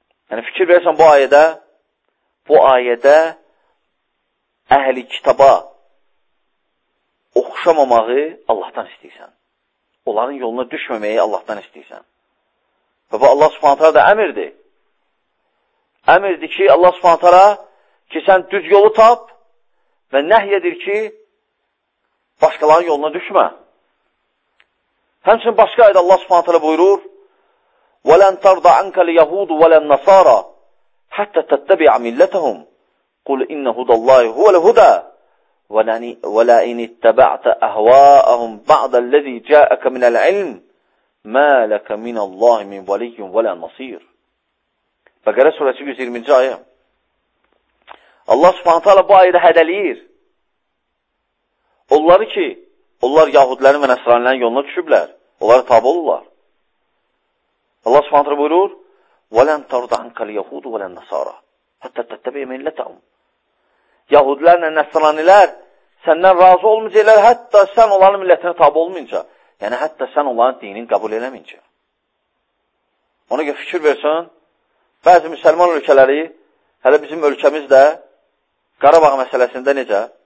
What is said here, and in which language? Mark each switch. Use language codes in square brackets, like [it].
[az] Yəni, fikir verirsən bu ayədə əhli kitaba oxşamamağı Allahdan istəyirsən. Onların yoluna düşməməyi Allahdan istəyirsən. Və bu Allah subhanətə da əmirdir. Əmirdir ki, Allah subhanətə ki, sən düz yolu tap və nəhyədir ki, başqaların yoluna düşmə. Həmçin başqa ayda Allah subhanətə buyurur, [ar] وَلَنْ تَرْضَ عَنْكَ لِيَهُودُ وَلَنْ نَصَارَ حَتَّى تَتَّبِعَ مِلَّتَهُمْ قُلْ إِنَّ هُدَى اللَّهِ هُوَ الْهُدَى وَلَا إِنِ اتَّبَعْتَ أَهْوَاءَهُمْ بَعْدَ الَّذِي جَاءَكَ مِنَ الْعِلْمِ مَا لَكَ مِنَ اللَّهِ مِنْ وَلِيٍّ وَلَا نَصِيرٍ. [az] Bəqərə surəsi 120-ci ayə. Allah subhanahu taala bu ayədə hədələyir. Onları ki, onlar yahudilərin və nəsranilərin yoluna düşüblər. Onlara tabi olurlar. Allah subhanahu taala buyurur, [ar] وَلَنْ تَرْضَ عَنْكَ الْيَهُودُ وَلَنْ نَصَارَى حَتَّى تَتَّبِعَ مِلَّتَهُمْ. [az] Yahudilərlə nəsranilər səndən razı olmayacaqlar, hətta sən onların millətinə tabi olmayınca. Yəni, hətta sən onların dinin qəbul eləməyincə. Ona görə fikir versən, bəzi müsəlman ölkələri, hələ bizim ölkəmizdə, Qarabağ məsələsində necə?